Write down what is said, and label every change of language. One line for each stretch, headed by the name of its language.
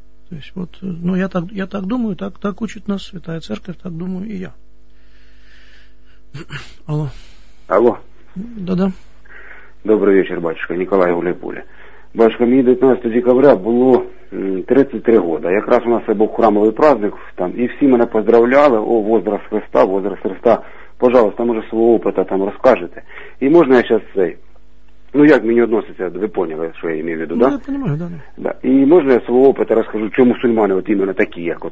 Russian: То есть вот, ну, я так думаю, так учит нас Святая Церковь, так думаю и я. Алло. Алло. Да-да. Добрый вечер, батюшка. Николай Гуляй-Пуля.
Ukrainian: Батюшка, мені 19
Russian: декабря
Ukrainian: було 33
Russian: года.
Ukrainian: Якраз у нас це був храмовий
Russian: праздник,
Ukrainian: там, і всі мене
Russian: поздравляли,
Ukrainian: о,
Russian: возраст Христа, возраст Христа. Пожалуйста,
Ukrainian: може свого
Russian: опыта
Ukrainian: там розкажете. І можна я зараз цей, ну як мені відноситься, ви поняли, що я
Russian: имею в виду,
Ukrainian: ну, да?
Russian: Ну, я понимаю, да. Да.
Ukrainian: І можна я свого
Russian: опыта
Ukrainian: розкажу, чому мусульмани от
Russian: іменно
Ukrainian: такі, як от